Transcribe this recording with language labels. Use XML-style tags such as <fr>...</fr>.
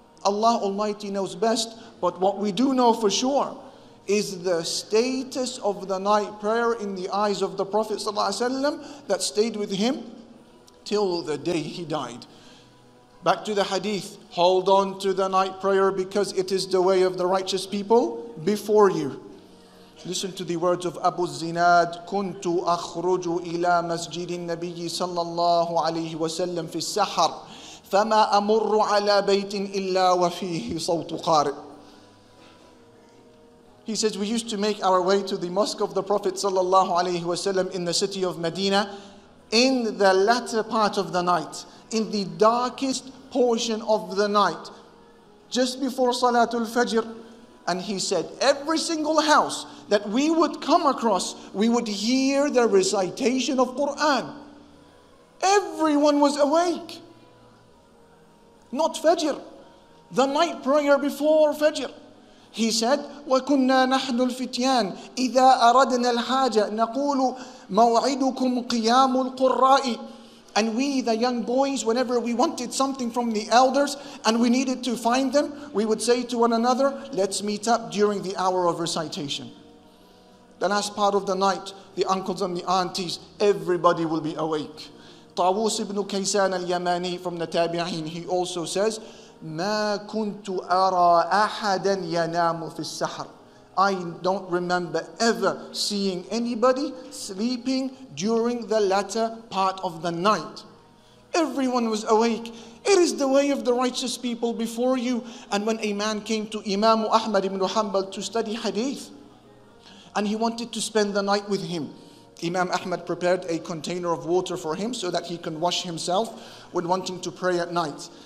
<en>Allah Almighty knows best. But what we do know for sure is the status of the night prayer in the eyes of the Prophet ﷺ that stayed with him till the day he died. Back to the hadith, hold on to the night prayer because it is the way of the righteous people before you. Listen to the words of Abu Zinad.</en> <ar>كنت أخرج إلى مسجد النبي صلى الله عليه وسلم في السحر فما أمر على بيت إلا وفيه صوت قارئ.</ar> <en>He says, we used to make our way to the mosque of the Prophet sallallahu alayhi wasallam in the city of Medina in the latter part of the night, in the darkest portion of the night, just before Salatul Fajr. And he said, every single house that we would come across, we would hear the recitation of Quran. Everyone was awake. Not Fajr, the night prayer before Fajr. He said,</en> <ar>وَكُنَّا نَحْنُ الْفِتْيَانِ إِذَا أَرَدْنَا الْحَاجَةِ نَقُولُ مَوْعِدُكُمْ قِيَامُ الْقُرَّائِ.</ar> <en>And we, the young boys, whenever we wanted something from the elders and we needed to find them, we would say to one another, let's meet up during the hour of recitation. The last part of the night, the uncles and the aunties, everybody will be awake.</en> <ar>طاووس ibn كيسان اليماني</ar> <en>from the Tabi'in, he also says,</en> <ar>مَا كُنْتُ أَرَى أَحَدًا يَنَامُ فِي السَّحْرِ.</ar> <en>I don't remember ever seeing anybody sleeping during the latter part of the night. Everyone was awake. It is the way of the righteous people before you. And when a man came to Imam Ahmad ibn Hanbal to study hadith, and he wanted to spend the night with him, Imam Ahmad prepared a container of water for him so that he can wash himself when wanting to pray at night.</en>